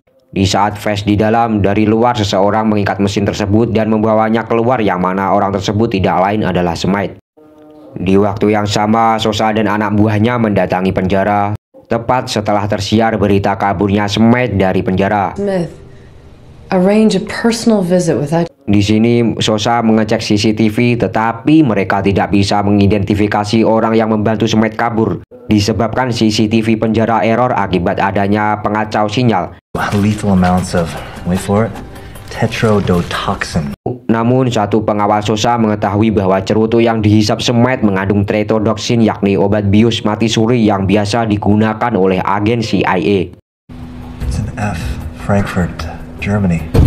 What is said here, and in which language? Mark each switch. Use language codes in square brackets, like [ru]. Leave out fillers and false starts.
[id] Di saat Vest di dalam, dari luar seseorang mengikat mesin tersebut dan membawanya keluar, yang mana orang tersebut tidak lain adalah Smite. Di waktu yang sama, Sosa dan anak buahnya mendatangi penjara tepat setelah tersiar berita kaburnya Smite dari penjara. [en] Smith, arrange a personal visit with that. [id] Di sini Sosa mengecek CCTV, tetapi mereka tidak bisa mengidentifikasi orang yang membantu Smite kabur. Disebabkan CCTV penjara error akibat adanya pengacau sinyal. [en] Lethal amounts of, wait for it, tetrodotoxin. [id] Namun satu pengawal Sosa mengetahui bahwa cerutu yang dihisap Smite mengandung tetrodotoxin, yakni obat bius mati suri yang biasa digunakan oleh agen CIA. [en] It's an F, Frankfurt, Germany.